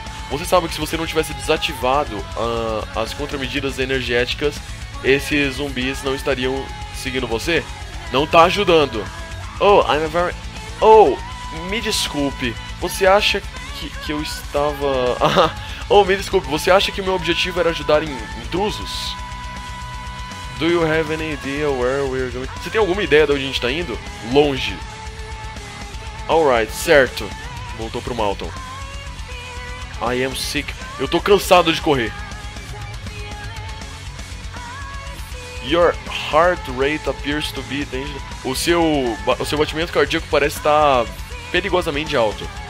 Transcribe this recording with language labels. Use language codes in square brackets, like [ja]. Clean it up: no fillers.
[pt] Você sabe que se você não tivesse desativado as contramedidas energéticas, esses zumbis não estariam seguindo você? Não tá ajudando. Oh, me desculpe. Você acha que eu estava... Oh, me desculpe. Você acha que meu objetivo era ajudar em intrusos? [en] Do you have any idea where we're going? [pt] Você tem alguma ideia de onde a gente está indo? Longe. Alright, certo. Voltou pro Malton. [en] I am sick. [pt] Eu tô cansado de correr. [en] Your heart rate appears to be dangerous. [pt] O seu batimento cardíaco parece estar perigosamente alto.